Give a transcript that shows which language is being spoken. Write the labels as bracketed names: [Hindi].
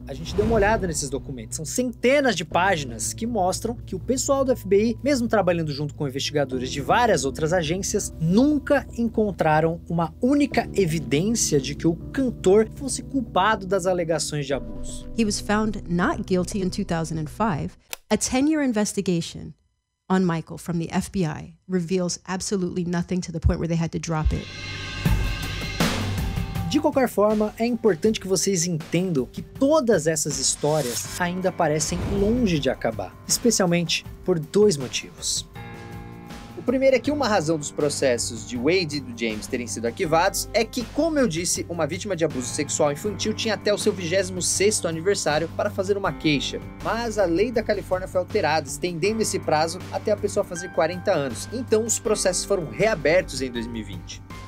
[Portuguese] A gente deu uma olhada nesses documentos, são centenas de páginas que mostram que o pessoal do FBI, mesmo trabalhando junto com investigadores de várias outras agências, nunca encontraram uma única evidência de que o cantor fosse culpado das alegações de abuso. [English] He was found not guilty in 2005. A 10-year investigation on Michael from the FBI reveals absolutely nothing to the point where they had to drop it. [Portuguese] De qualquer forma, é importante que vocês entendam que todas essas histórias ainda parecem longe de acabar, especialmente por dois motivos. O primeiro é que uma razão dos processos de Wade e do James terem sido arquivados é que, como eu disse, uma vítima de abuso sexual infantil tinha até o seu 26º aniversário para fazer uma queixa, mas a lei da Califórnia foi alterada, estendendo esse prazo até a pessoa fazer 40 anos, então os processos foram reabertos em 2020.